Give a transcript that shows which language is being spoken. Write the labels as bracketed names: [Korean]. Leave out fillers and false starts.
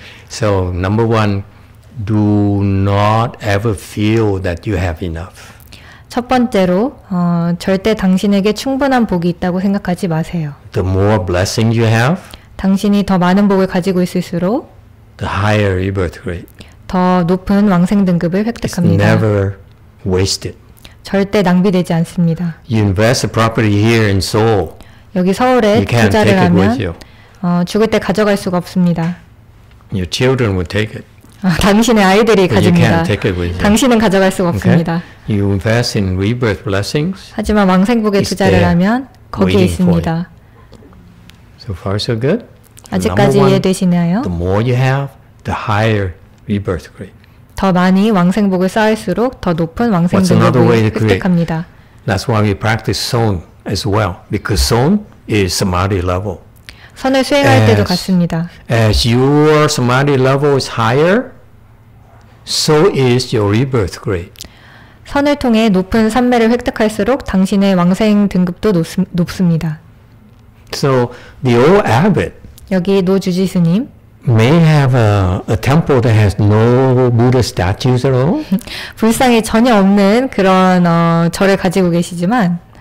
[English] So number one, do not ever feel that you have enough. [Korean] 첫 번째로 절대 당신에게 충분한 복이 있다고 생각하지 마세요. [English] The more blessing you have, [Korean] 당신이 더 많은 복을 가지고 있을수록 [English] the higher rebirth rate. [Korean] 더 높은 왕생 등급을 획득합니다. [English] It's never wasted. [Korean] 절대 낭비되지 않습니다. [English] You invest a property here in Seoul. [Korean] 여기 서울에 투자를 하면 죽을 때 가져갈 수가 없습니다. [English] Your children will take it. [Korean] 당신의 아이들이 가집니다. [English] You can't take it with you. [Korean] 당신은 가져갈 수가 없습니다. [English] Okay? You invest in rebirth blessings. [Korean] 하지만 왕생복에 투자를 하면 거기에 있습니다. [English] So far so good. [Korean] 아직까지 이해되시나요? [English] The more you have, the higher rebirth rate. [Korean] 더 많이 왕생복을 쌓을수록 더 높은 왕생 등급을 획득합니다. [English] That's why we practice song as well, because song is samadhi level. [Korean] 선을 수행할 때도 같습니다. [English] As your samadhi level is higher, so is your rebirth rate. [Korean] 선을 통해 높은 삼매를 획득할수록 당신의 왕생 등급도 높습니다. [English] So the old abbot [Korean] 여기 노 주지 스님 [English] may have a temple that has no Buddha statues at all. [Korean] 불상이 전혀 없는 그런 절을 가지고 계시지만